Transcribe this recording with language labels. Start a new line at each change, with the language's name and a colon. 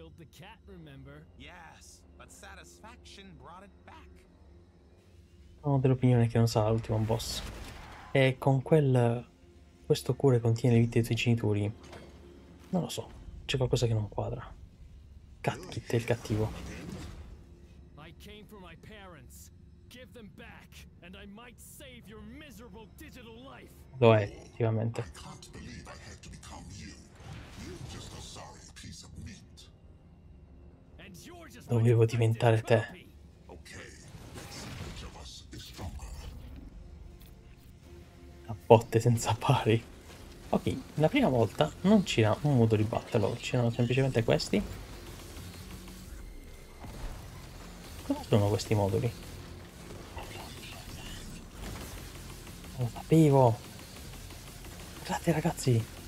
English: killed the cat, remember? Yes, but satisfaction brought it back.
Italian: Sono dell'opinione che non sarà l'ultimo boss. E con quel... questo cuore contiene le vite dei tuoi genitori. Non lo so, c'è qualcosa che non quadra. Katkit è il cattivo.
English: I came for my parents. Give them back, and I might save your miserable digital life.
Italian: Lo è, effettivamente.
English: I can't believe I had to become you. You're just a sorry piece of meat. And you're just
Italian: dovevo diventare te.
English: Okay, let's see which of us is stronger.
Italian: A botte senza pari. Ok, la prima volta non c'era un modo di batterlo, c'erano semplicemente questi. Dove sono questi moduli? Lo sapevo! Guardate ragazzi!